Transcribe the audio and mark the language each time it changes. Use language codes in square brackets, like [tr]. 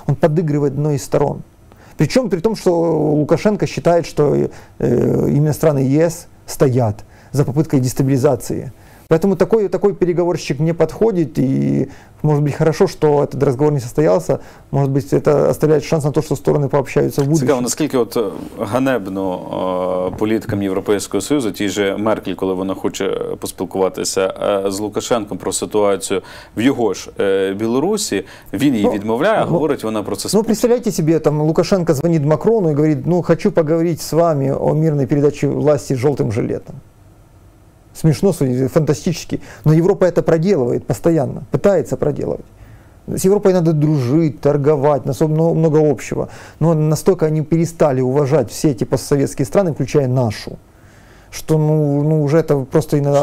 [ru] Он подыгрывает одной из сторон. Причем при том, что Лукашенко считает, что именно страны ЕС стоят за попыткой дестабилизации. Поэтому такой переговорщик не подходит, и может быть хорошо, что этот разговор не состоялся, может быть это оставляет шанс на то, что стороны пообщаются в будущем. [uk] Цікаво, наскільки от ганебно політикам Європейського Союзу, тій же Меркель, коли вона хоче поспілкуватися з Лукашенком про ситуацію в його ж Білорусі, він її відмовляє, говорить вона про це. Ну, представляєте собі, там Лукашенко дзвонить Макрону і говорить, ну, хочу поговорити з вами о мирній передачі власті жовтим жилетом. [ru] Смешно, фантастически, но Европа это проделывает постоянно, пытается проделывать. С Европой надо дружить, торговать, на особо много общего. Но настолько они перестали уважать все эти постсоветские страны, включая нашу, что уже это просто иногда...